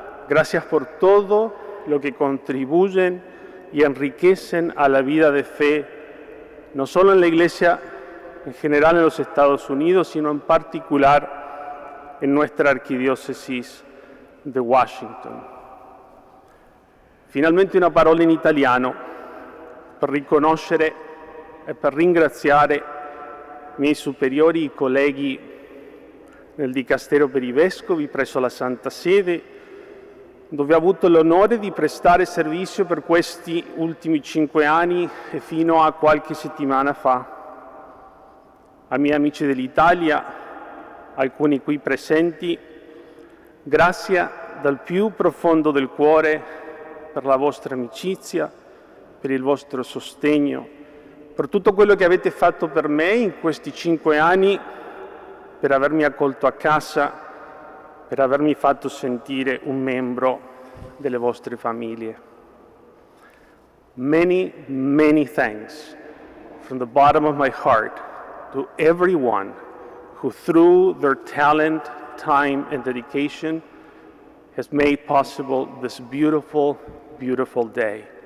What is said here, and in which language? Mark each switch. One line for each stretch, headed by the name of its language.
Spanish: Gracias por todo lo que contribuyen y enriquecen a la vida de fe, no solo en la Iglesia en general en los Estados Unidos, sino en particular en nuestra Archidiócesis de Washington.
Italian: Finalmente, una parola in italiano per riconoscere e per ringraziare i miei superiori e colleghi nel Dicastero per i Vescovi presso la Santa Sede, dove ho avuto l'onore di prestare servizio per questi ultimi 5 anni e fino a qualche settimana fa. Ai miei amici dell'Italia, alcuni qui presenti, grazie dal più profondo del cuore per la vostra amicizia, per il vostro sostegno, per tutto quello che avete fatto per me in questi 5 anni, per avermi accolto a casa, per avermi fatto sentire un membro delle vostre famiglie.
English: Many, many thanks from the bottom of my heart to everyone who through their talent, time and dedication has made possible this beautiful, beautiful day.